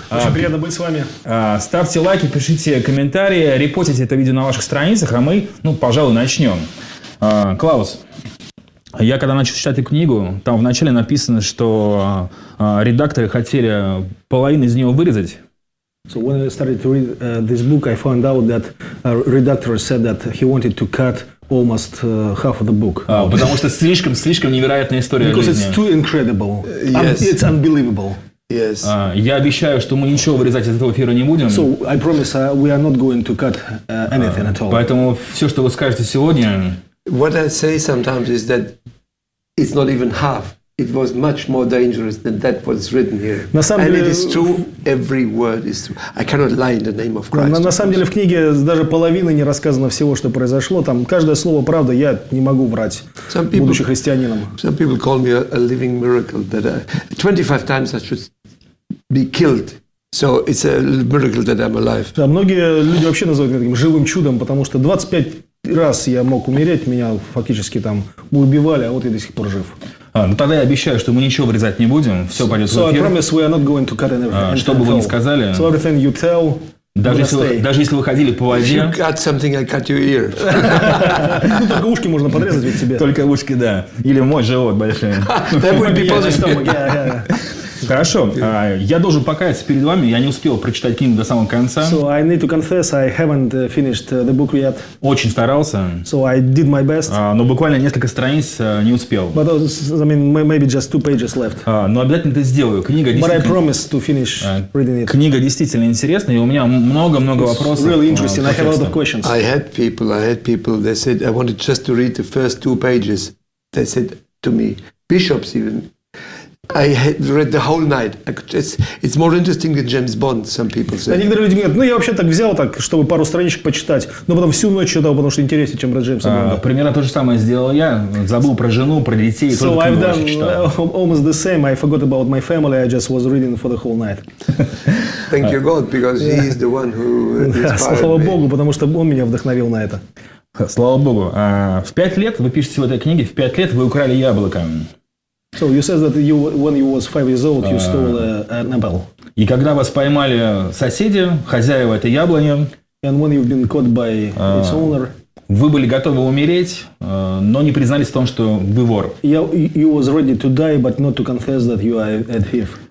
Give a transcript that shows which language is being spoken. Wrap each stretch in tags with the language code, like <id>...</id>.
<ru>Очень приятно быть с вами. Ставьте лайки, пишите комментарии, репостите это видео на ваших страницах, а мы, ну, пожалуй, начнем. Клаус, я когда начал читать эту книгу, там вначале написано, что редакторы хотели половину из нее вырезать.</ru> <en>So when I started to read this book, I found out that a redactor said that he wanted to cut almost half of the book.</en> <ru>Потому что слишком невероятная история.</ru> <en>Because it's too incredible. Yes. It's unbelievable. Yes.</en> <ru>Я обещаю, что мы ничего вырезать из этого эфира не будем.</ru> <en>So I promise we are not going to cut anything at all.</en> <ru>Поэтому все, что вы скажете сегодня.</ru> <en>What I say sometimes is that it's not even half. It was much more dangerous than that was written here.</en> <ru>На самом деле,</ru> <en>and it is true. Every word is true. I cannot lie in the name of Christ.</en> <ru>На самом деле в книге даже половины не рассказано всего, что произошло. Там каждое слово правда. Я не могу врать, будучи христианином.</ru> <en>Some people call me a living miracle. That 25 times I should be killed. So it's a miracle that I'm alive.</en> <ru>Да, многие люди вообще называют меня таким живым чудом, потому что 25 раз я мог умереть, меня фактически там убивали, а вот я до сих пор жив. Ну тогда я обещаю, что мы ничего вырезать не будем, все пойдет so в эфир.</ru> <en>So I promise we are not going to cut anything.</en> <ru>Что бы вы ни сказали.</ru> <en>So everything you tell.</en> <ru>Даже если вы ходили по воде.</ru> <en>If you cut something, I cut your ear.</en> <ru>Ну только ушки можно подрезать ведь тебе. Только ушки, да. Или мой живот большой.</ru> <en>That would be positive.</en> <ru>Хорошо. Я должен покаяться перед вами. Я не успел прочитать книгу до самого конца.</ru> <en>So I need to confess, I haven't finished the book yet.</en> <ru>Очень старался.</ru> <en>So I did my best.</en> <ru>Но буквально несколько страниц не успел.</ru> <en>But I mean, maybe just two pages left.</en> <ru>Но обязательно это сделаю. Книга действительно.</ru> <en>But I promise to finish reading it.</en> <ru>Книга действительно интересная, и у меня много-много вопросов.</ru> <en>Really interesting. I have a lot of questions. I had people. They said I wanted just to read the first two pages. They said to me, bishops even. I had read the whole night. It's more interesting than James Bond, some people say.</en> <ru>Некоторые люди говорят, ну я вообще так взял, так, чтобы пару страничек почитать, но потом всю ночь читал, потому что интереснее, чем про Джеймса Бонда. Примерно то же самое сделал я. Забыл про жену, про детей.</ru> <en>So I've done almost the same. I forgot about my family. I just was reading for the whole night. Thank you, God, because he is the one who inspired me.</en> <ru>Слава Богу, потому что он меня вдохновил на это. Слава Богу. В 5 лет, вы пишете в этой книге, в 5 лет вы украли яблоко.</ru> <en>So you said that you, when you was 5 years old, you stole an apple.</en> <ru>И когда вас поймали соседи, хозяева этой яблони,</ru> <en>and when you've been caught by its owner,</en> <ru>вы были готовы умереть, но не признались в том, что вы вор.</ru> <en>You was ready to die, but not to confess that you are a thief.</en>